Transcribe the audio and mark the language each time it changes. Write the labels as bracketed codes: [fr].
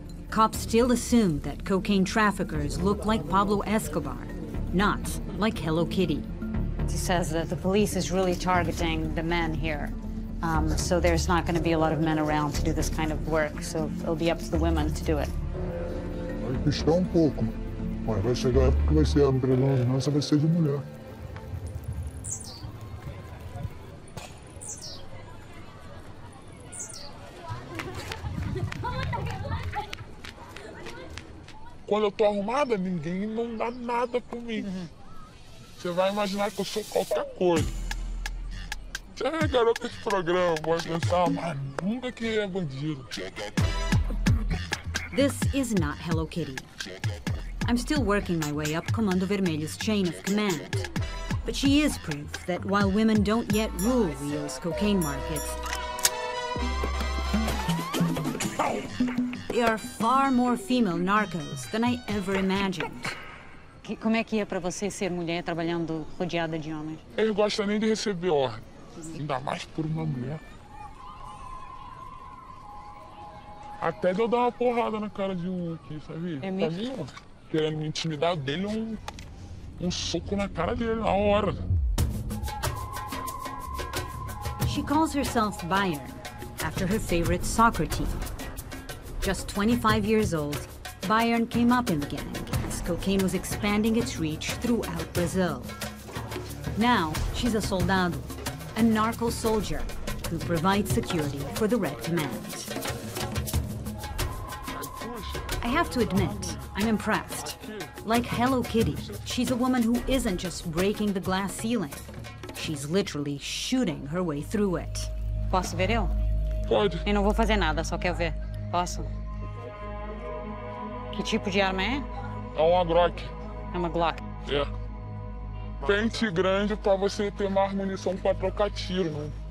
[en] Cops still assume that cocaine traffickers look like Pablo Escobar, not like Hello Kitty. He says that the police is really targeting the men here. So there's not going to be a lot of men around to do this kind of work, so it'll be up to the women to do it. [pt] Vai puxar pouco, mas vai chegar porque vai ser a predominância vai ser de mulher. Quando eu tô arrumada, ninguém não dá nada por mim. Você vai imaginar que eu sou qualquer coisa. É, garota de programa, boa dançar, mas nunca que é bandido. [en] This is not Hello Kitty. I'm still working my way up Comando Vermelho's chain of command. But she is proof that while women don't yet rule Rio's cocaine markets, there are far more female narcos than I ever imagined. [pt] Como é que é pra você ser mulher trabalhando rodeada de homens? Ele gosta nem de receber ordem. Ainda mais por uma mulher. Até de eu dar uma porrada na cara de um aqui, sabia? É mesmo? Querendo me intimidar dele, um soco na cara dele, na hora. [en] She calls herself Bayern, after her favorite soccer team. Just 25 years old, Bayern came up in the gang as cocaine was expanding its reach throughout Brazil. Now, she's a soldado. A narco soldier who provides security for the Red Command. I have to admit, I'm impressed. Like Hello Kitty, she's a woman who isn't just breaking the glass ceiling. She's literally shooting her way through it. [pt] Posso ver eu? Pode. Eu não vou fazer nada, só quero ver. Posso? Que tipo de arma é? É uma Glock. É uma Glock? [en] Yeah. [pt] Pente grande para você ter mais munição para trocar tiro, né?